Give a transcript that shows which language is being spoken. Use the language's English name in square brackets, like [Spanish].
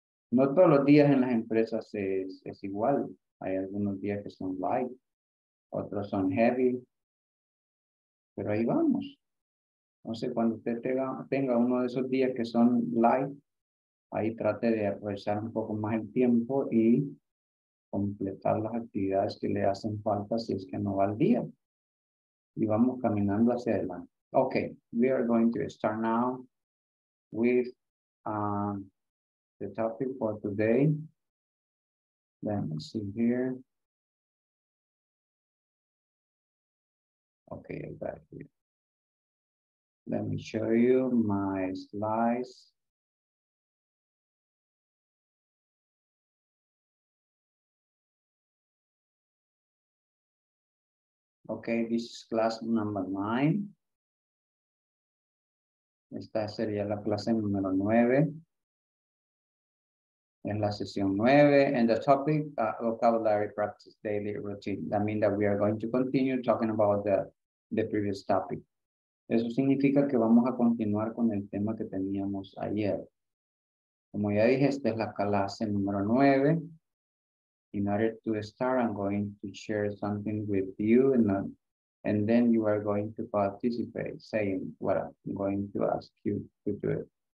[Spanish] No todos los días en las empresas es igual. Hay algunos días que son light, otros son heavy. Pero ahí vamos. Entonces, cuando usted tenga uno de esos días que son light, ahí trate de aprovechar un poco más el tiempo y completar las actividades que le hacen falta si es que no va al día. Y vamos caminando hacia adelante. [English] Okay, we are going to start now with the topic for today. Let me see here. Okay, I got it here. Let me show you my slides. Okay, this is class number 9. [Spanish] Esta sería la clase número 9. En la sesión 9. [English] And the topic, vocabulary practice daily routine. That means that we are going to continue talking about the previous topic. [Spanish] Eso significa que vamos a continuar con el tema que teníamos ayer. Como ya dije, esta es la clase número 9. [English] In order to start, I'm going to share something with you and then you are going to participate, saying what I'm going to ask you to do it.